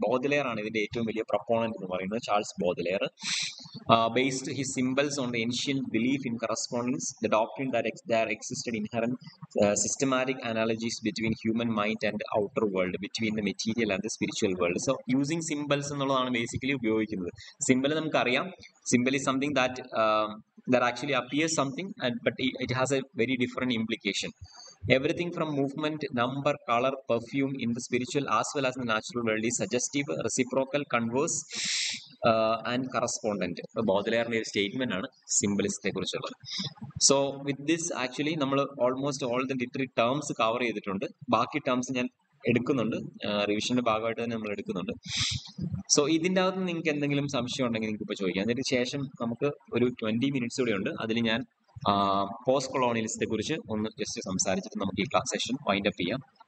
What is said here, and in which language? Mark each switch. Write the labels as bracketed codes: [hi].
[ml] ബോദ്ലെയർ ആണ് ഇതിന്റെ ഏറ്റവും വലിയ പ്രൊപ്പോണന്റ് എന്ന് പറയുന്നത്, Charles ബോദ്ലെയർ. [en] Based his symbols on the ancient belief in correspondence the doctrine that existed inherent systematic analogies between human mind and outer world, between the material and the spiritual world. So using symbols [ml] എന്നുള്ളതാണ് basically ഉപയോഗിക്കുന്നത്. Simple നമുക്കറിയാം, [en] Symbol something that that actually appears something and but it has a very different implication. Everything from movement, number, color, perfume in the spiritual as well as in the natural world is suggestive, reciprocal, converse and correspondent. [ml] ബോദ്ലെയറിന്റെ ഒരു statement ആണ് സിമ്പലിസത്തെ കുറിച്ചുള്ളത്. [en] so with this actually [ml] നമ്മൾ [en] almost all the literary terms [ml] cover ചെയ്തിട്ടുണ്ട്. ബാക്കി terms ഞാൻ എടുക്കുന്നുണ്ട്, റിവിഷന്റെ ഭാഗമായിട്ട് തന്നെ നമ്മൾ എടുക്കുന്നുണ്ട്. സോ ഇതിൻ്റെ അകത്ത് നിങ്ങൾക്ക് എന്തെങ്കിലും സംശയം ഉണ്ടെങ്കിൽ നിങ്ങൾക്ക് ഇപ്പൊ ചോദിക്കാം. അതിന് ശേഷം നമുക്ക് ഒരു 20 മിനിറ്റ്സ് കൂടെ ഉണ്ട്, അതിൽ ഞാൻ പോസ്റ്റ് കൊളോണിയലിസത്തെ കുറിച്ച് ഒന്ന് ജസ്റ്റ് സംസാരിച്ചിട്ട് നമുക്ക് ഈ ക്ലാസ് സെഷൻ വൈൻഡ് അപ്പ് ചെയ്യാം.